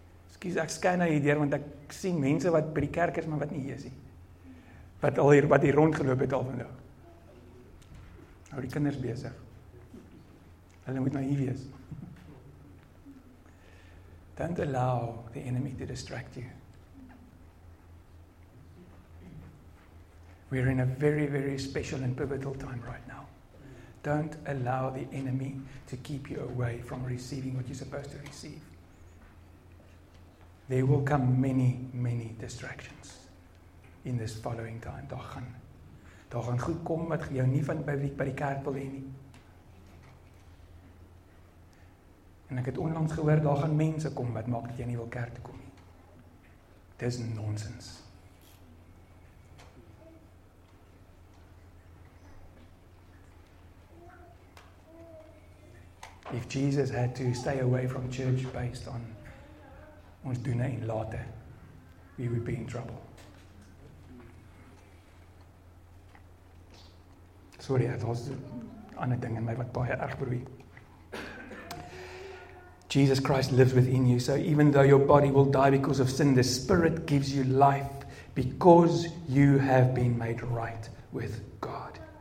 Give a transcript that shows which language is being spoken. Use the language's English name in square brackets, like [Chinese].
[Afrikaans] Excuse, ek skyn nou hier deur, want ek sien mense wat by die kerk is, maar wat nie hier is nie. Wat hier rondgeloop het al van nou. Nou die kinders besig. Hulle moet nou hier wees. [English] Don't allow the enemy to distract you. We're in a very, very special and pivotal time right now. Don't allow the enemy to keep you away from receiving what you're supposed to receive. There will come many, many distractions in this following time. [Afrikaans] Daar gaan goed kom wat jou nie van by die kerk wil hê nie. En ek het onlangs gehoor, daar gaan mense kom wat maak dat jy nie wil kerk toe kom nie. Dis nonsens. [English] If Jesus had to stay away from church based on [Afrikaans] ons doen en later, [English] we would be in trouble. [Afrikaans] Sorry, dat was een ander ding in my wat baie erg broei. [English] Jesus Christ lives within you, so even though your body will die because of sin, the Spirit gives you life because you have been made right with God.